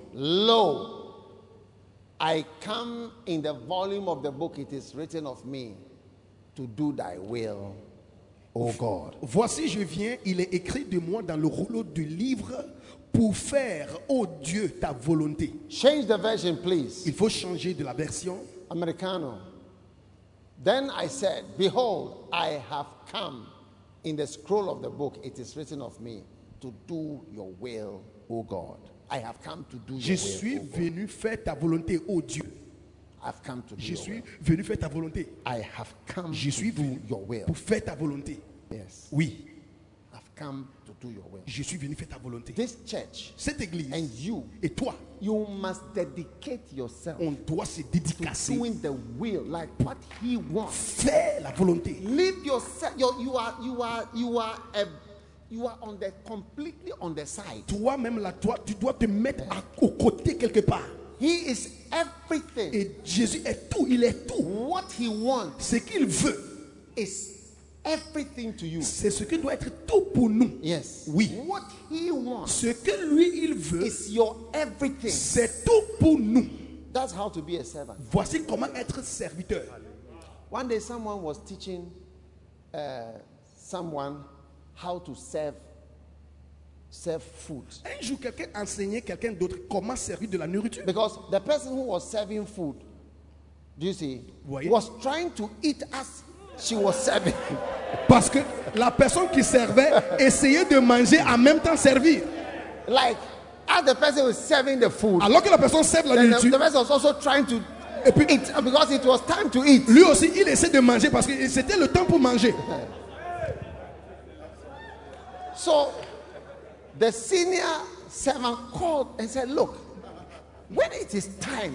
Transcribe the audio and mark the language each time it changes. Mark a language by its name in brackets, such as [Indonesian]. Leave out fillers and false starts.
[English] Lo, I come in the volume of the book it is written of me to do thy will. Oh God. [French] Voici je viens, il est écrit de moi dans le rouleau du livre pour faire, ô oh Dieu, ta volonté. [English] Change the version, please. [French] Il faut changer de la version. [English] Americano. Then I said, behold, I have come in the scroll of the book, it is written of me, to do your will, oh God. I have come to do [French] je [English] your will. [French] Je suis venu faire ta volonté, ô oh Dieu. [English] I've come to do [French] je [English] your [French] suis [English] will. [French] Venu faire ta volonté. [English] I have come [French] je suis [English] to do your will. [French] Pour faire ta volonté. [English] Yes. [French] Oui. [English] I've come to do your will. [French] Je suis venu faire ta volonté. [English] This church, [French] cette église, [English] and you, [French] et toi, [English] you must dedicate yourself. [French] On doit se dédicacer. [English] Doing the will, like what He wants. [French] Faire la volonté. [English] Leave yourself. You are on the completely on the side. [French] Toi-même là, toi, tu dois te mettre au côté quelque part. [English] He is everything. [French] Et Jésus est tout. Il est tout. [English] What He wants, [French] ce qu'il veut, [English] is everything to you. [French] C'est ce qui doit être tout pour nous. [English] Yes. [French] Oui. [English] What He wants, [French] ce que lui il veut, [English] is your everything. [French] C'est tout pour nous. [English] That's how to be a servant. [French] Voici comment être serviteur. [English] One day, someone was teaching someone how to serve food. [French] Un jour, quelqu'un enseignait quelqu'un d'autre comment servir de la nourriture. [English] Because the person who was serving food, do you see, [French] oui, [English] was trying to eat as she was serving. [French] Parce que la personne qui servait essayait de manger en même temps servir. [English] Like, as the person was serving the food, [French] alors que la personne serve la nourriture, [English] the person was also trying to [French] puis, [English] eat, because it was time to eat. [French] Lui aussi, il essaie de manger parce que c'était le temps pour manger. [English] So, the senior servant called and said, look, when it is time,